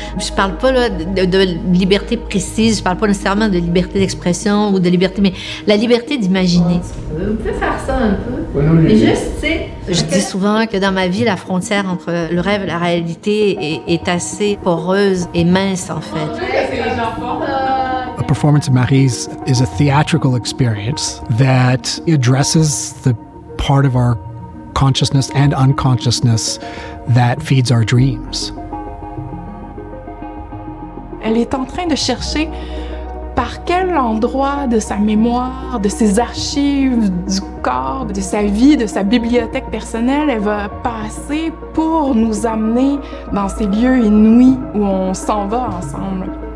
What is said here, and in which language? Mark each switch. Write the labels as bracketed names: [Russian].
[French] Je ne parle pas là, de liberté précise, je ne parle pas nécessairement de liberté d'expression ou de liberté, mais la liberté d'imaginer. On peut faire ça un peu. Mais juste, tu sais. Je dis souvent que dans ma vie, la frontière entre le rêve et la réalité est assez poreuse et mince, en fait. [English] A performance of Marie's is a theatrical experience that addresses the part of our consciousness and unconsciousness that feeds our dreams. [French] Elle est en train de chercher par quel endroit de sa mémoire, de ses archives, du corps, de sa vie, de sa bibliothèque personnelle, elle va passer pour nous amener dans ces lieux inouïs où on s'en va ensemble.